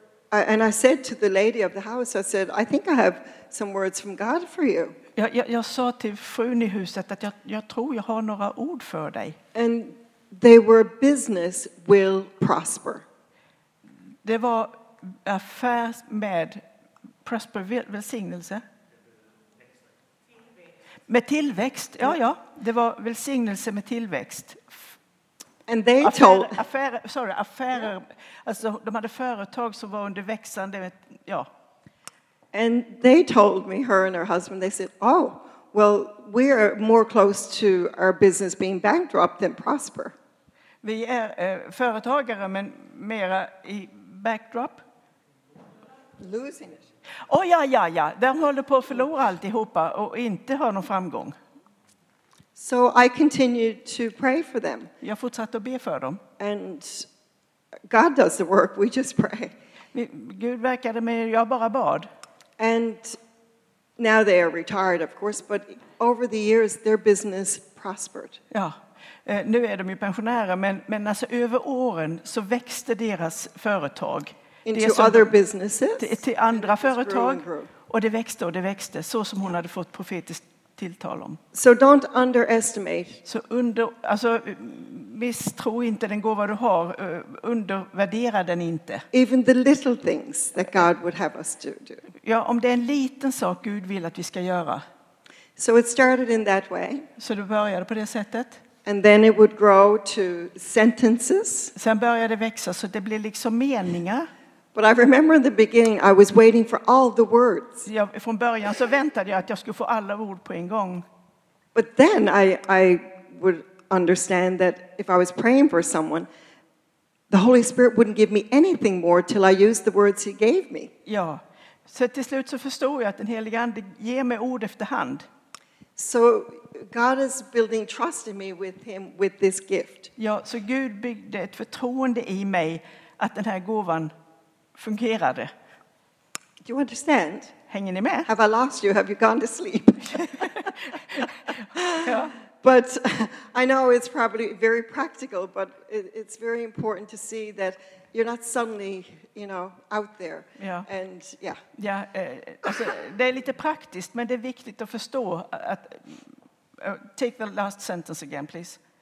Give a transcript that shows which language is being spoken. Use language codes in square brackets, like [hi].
[en] And I said to the lady of the house, I said, I think I have some words from God for you. [sv] Jag sa till frun i huset att jag tror jag har några ord för dig. [en] And they were business will prosper. [sv] Det var affär med prosper välsignelse. Med tillväxt. Ja, det var välsignelse med tillväxt. [en] And they [sv] alltså de hade företag som var under växande, ja. [en] And they told me, her and her husband, they said, "Oh, well, we are more close to our business being bankrupt than prosper." [sv] Vi är företagare men mera i backdrop. [en] Losing it. [sv] Oh ja. De håller på att förlora alltihopa och inte ha någon framgång. [en] So I continued to pray for them. [sv] Jag fortsatte att be för dem. [en] And God does the work, we just pray. [sv] Gud verkade med, jag bara bad. [en] And now they are retired of course, but over the years their business prospered. [sv] Ja. Nu är de ju pensionärer men alltså över åren så växte deras företag. [en] Into other businesses. [sv] Till andra företag. Och det växte så som hon hade fått profetiskt tilltal om. [en] So don't underestimate. [sv] Så alltså misstro inte den gåva du har, undervärdera den inte. [en] Even the little things that God would have us to do. [sv] Ja, om det är en liten sak Gud vill att vi ska göra. [en] So it started in that way. [sv] Så det började på det sättet. [en] And then it would grow to sentences. [sv] Sen började det växa så det blev liksom meningar. [en] But I remember in the beginning I was waiting for all the words. [sv] Ja, från början så väntade jag att jag skulle få alla ord på en gång. [en] But then I would understand that if I was praying for someone, the Holy Spirit wouldn't give me anything more till I used the words he gave me. [sv] Ja. Så till slut så förstod jag att den helige ande ger mig ord efterhand. [en] So God is building trust in me with him with this gift. [sv] Ja, så Gud byggde ett förtroende i mig att den här gåvan fungerade. [en] Do you understand? [sv] Hänger ni med? [en] Have I lost you? Have you gone to sleep? [sv] Ja. [en] But I know it's probably very practical, but it's very important to see that you're not suddenly, you know, out there. [sv] Ja. [en] And yeah. [sv] Ja, alltså, det är lite praktiskt, men det är viktigt att förstå att [en] take the last sentence again, please.